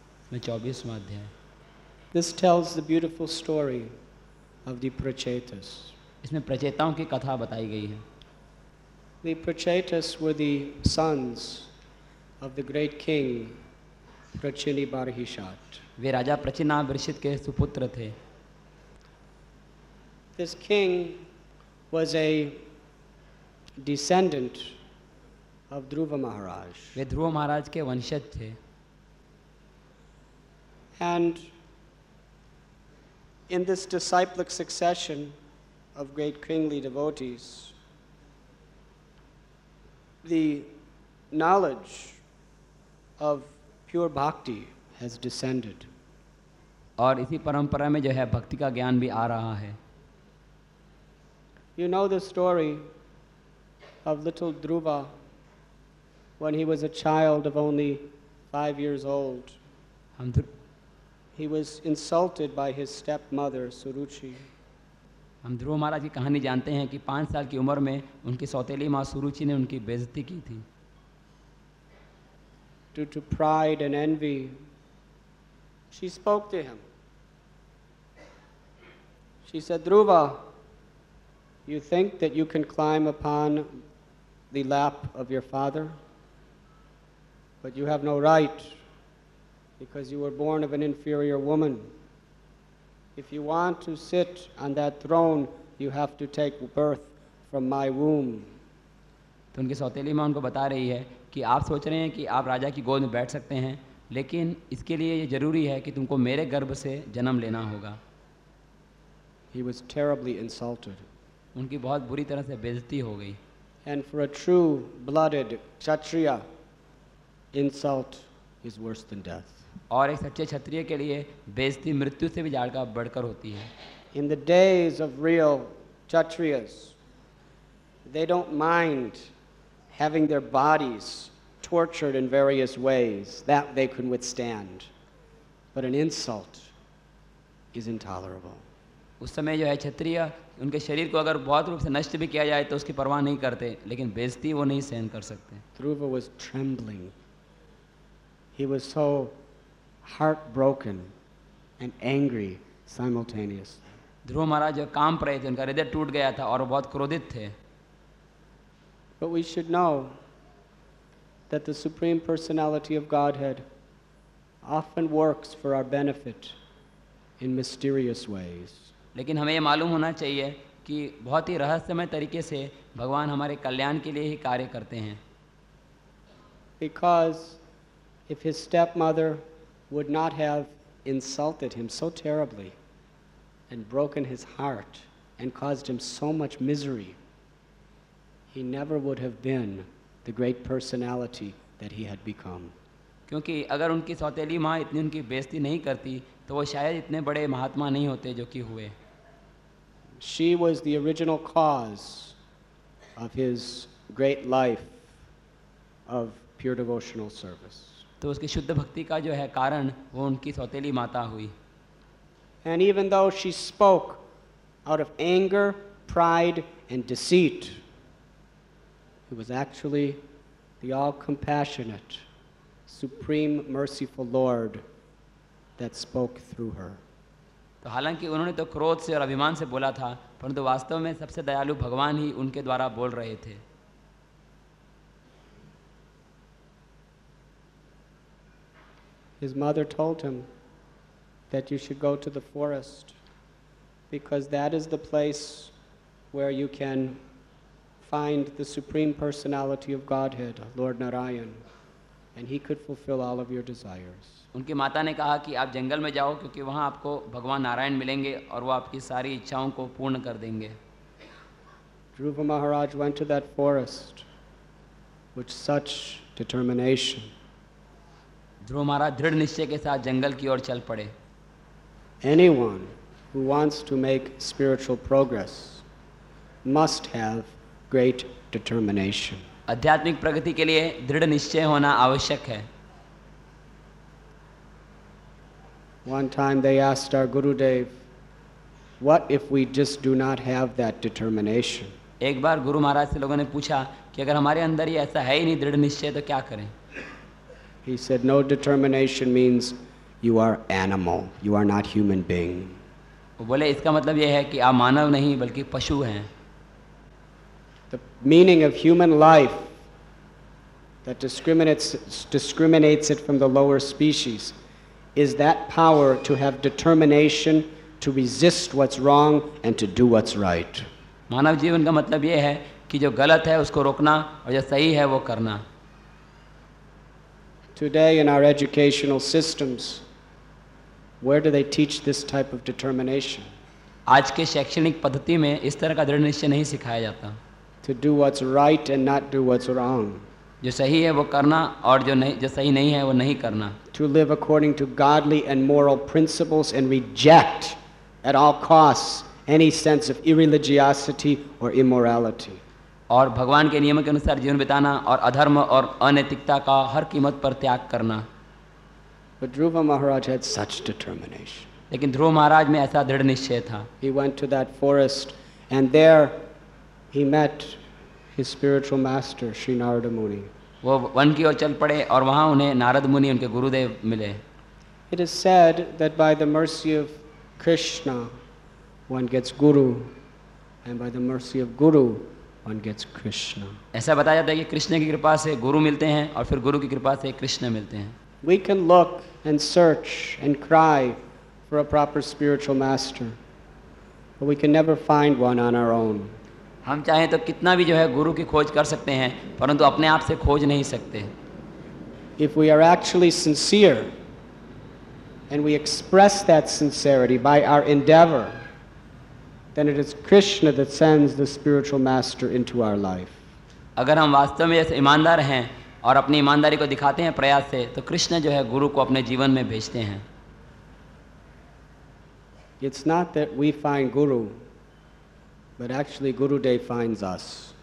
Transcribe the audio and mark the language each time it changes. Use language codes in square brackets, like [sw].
[hi] Main 24th adhyay. [en] This tells the beautiful story of the Prachetas. [hi] Isme prachetaon ki katha batayi gayi hai. [en] The Prachetas were the sons of the great king Prachinibarhishat. [hi] वे राजा प्रचिनाभिषित के सुपुत्र थे। [en] This king was a descendant of Dhruva Maharaj. [hi] वे ध्रुव महाराज के वंशज थे। [en] And in this disciplic succession of great kingly devotees, the knowledge of pure bhakti has descended. [hi] और इसी परंपरा में जो है भक्ति का ज्ञान भी आ रहा है। [en] You know the story of little Dhruva when he was a child of only 5 years old. He was insulted by his stepmother Suruchi. [hi] हम ध्रुव महाराज की कहानी जानते हैं कि 5 साल की उम्र में उनकी सौतेली माँ सुरुचि ने उनकी बेइज्जती की थी। [en] Due to pride and envy, she spoke to him. She said, Dhruva, you think that you can climb upon the lap of your father, but you have no right because you were born of an inferior woman. If you want to sit on that throne, you have to take birth from my womb. [hi] तो उनकी सौतेली माँ उनको बता रही है कि आप सोच रहे हैं कि आप राजा की गोद में बैठ सकते हैं, लेकिन इसके लिए ये जरूरी है कि तुमको मेरे गर्भ से जन्म लेना होगा. [en] He was terribly insulted. [hi] उनकी बहुत बुरी तरह से बेइज्जती हो गई. [en] And for a true-blooded Kshatriya, insult is worse than death. [hi] और एक सच्चे क्षत्रिय के लिए बेइज्जती मृत्यु से भी ज्यादा बढ़कर होती है. [en] In the days of real Kshatriyas, they don't mind having their bodies tortured in various ways that they can withstand, but an insult is intolerable. [hi] उस समय जो है क्षत्रिय उनके शरीर को अगर बहुत रूप से नष्ट भी किया जाए तो उसकी परवाह नहीं करते, लेकिन बेइज्जती वो नहीं सहन कर सकते. [en] Dhruva was trembling. He was so heartbroken and angry simultaneously. [hi] ध्रुव महाराज जो कांप रहे थे, उनका हृदय टूट गया था और बहुत क्रोधित थे. [en] But we should know that the Supreme Personality of Godhead often works for our benefit in mysterious ways. [hi] लेकिन हमें यह मालूम होना चाहिए कि बहुत ही रहस्यमय तरीके से भगवान हमारे कल्याण के लिए ही कार्य करते हैं. [en] Because if his stepmother would not have insulted him so terribly and broken his heart and caused him so much misery, he never would have been the great personality that he had become. [hi] क्योंकि अगर उनकी सौतेली माँ इतनी उनकी बेइज्जती नहीं करती तो वो शायद इतने बड़े महात्मा नहीं होते जो कि हुए. [en] She was the original cause of his great life of pure devotional service. [hi] तो उसकी शुद्ध भक्ति का जो है कारण वो उनकी सौतेली माता हुई. [en] And even though she spoke out of anger, pride, and deceit, it was actually the all-compassionate, supreme, merciful Lord that spoke through her. [hi] तो तो हालांकि उन्होंने तो क्रोध से और अभिमान से बोला था, परंतु वास्तव में सबसे दयालु भगवान ही उनके द्वारा बोल रहे थे। [en] His mother told him that you should go to the forest because that is the place where you can find the Supreme Personality of Godhead, Lord Narayan, and he could fulfill all of your desires. [hi] उनकी माता ने कहा कि आप जंगल में जाओ क्योंकि वहां आपको भगवान नारायण मिलेंगे और वो आपकी सारी इच्छाओं को पूर्ण कर देंगे। [en] Dhruva Maharaj went to that forest with such determination. [hi] ध्रुव महाराज दृढ़ निश्चय के साथ जंगल की ओर चल पड़े। [en] Anyone who wants to make spiritual progress must have great determination. [hi] आध्यात्मिक प्रगति के लिए दृढ़ निश्चय होना आवश्यक है। [en] One time they asked our Gurudev, "What if we just do not have that determination?" [hi] एक बार गुरु महाराज से लोगों ने पूछा कि अगर हमारे अंदर ये ऐसा है ही नहीं दृढ़ निश्चय तो क्या करें? [en] He said, "No determination means you are animal. You are not human being." [hi] वो बोले इसका मतलब ये है कि आप मानव नहीं बल्कि पशु हैं। [en] The meaning of human life that discriminates it from the lower species is that power to have determination to resist what's wrong and to do what's right. [hi] मानव जीवन का मतलब ये है कि जो गलत है उसको रोकना और जो सही है वो करना। [en] Today in our educational systems, where do they teach this type of determination? [hi] आज के शैक्षणिक पद्धति में इस तरह का दृढ़ निश्चय नहीं सिखाया जाता। [en] To do what's right and not do what's wrong. [hi] जो सही है वो करना और जो सही नहीं है वो नहीं करना। [en] To live according to godly and moral principles and reject at all costs any sense of irreligiosity or immorality. [hi] और भगवान के नियम के अनुसार जीवन बिताना और अधर्म और अनैतिकता का हर कीमत पर त्याग करना। [en] But Dhruva Maharaj had such determination. [hi] लेकिन ध्रुव महाराज में ऐसा दृढ़ निश्चय था। [en] He went to that forest and there he met his spiritual master Sri Narada Muni. [hi] वो वन की ओर चल पड़े और वहां उन्हें नारद मुनि उनके गुरुदेव मिले। [en] It is said that by the mercy of Krishna one gets guru and by the mercy of guru one gets Krishna. [hi] ऐसा बताया जाता है कि कृष्ण की कृपा से गुरु मिलते हैं और फिर गुरु की कृपा से कृष्ण मिलते हैं। [en] We can look and search and cry for a proper spiritual master but we can never find one on our own. [hi] हम चाहें तो कितना भी जो है गुरु की खोज कर सकते हैं परंतु अपने आप से खोज नहीं सकते। [en] If we are actually sincere and we express that sincerity by our endeavor, then it is Krishna that sends the spiritual master into our life. [hi] अगर हम वास्तव में ऐसे ईमानदार हैं और अपनी ईमानदारी को दिखाते हैं प्रयास से तो कृष्ण जो है गुरु को अपने जीवन में भेजते हैं। [en] It's not that we find guru but actually Gurudev finds us.